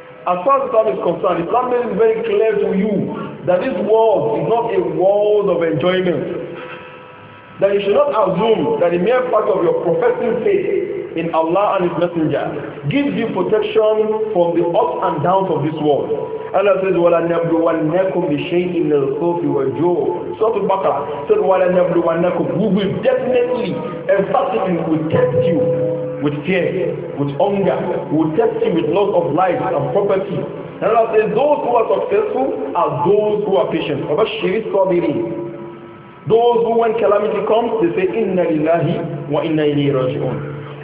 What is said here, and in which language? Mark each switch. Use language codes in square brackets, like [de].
[en] As far as Islam is concerned, Islam makes it very clear to you that this world is not a world of enjoyment. That you should not assume that the mere fact of your professing faith in Allah and His Messenger gives you protection from the ups and downs of this world. Allah says, [ar] وَلَنَبْلُوَنَّكُمْ بِشَيْءٍ مِنَ الْخَوْفِ وَالْجُوعِ. [en] Surah Al-Baqarah said, [ar] وَلَنَبْلُوَنَّكُمْ. [en] We will definitely, emphatically, will test you with fear, with hunger, we will test you with loss of life and property. Allah says, those who are successful are those who are patient. [ar] وَبَشِّرِ الصَّابِرِينَ. [en] Those who, when calamity comes, they say, [ar] Inna lillahi wa inna ilayhi raji'un.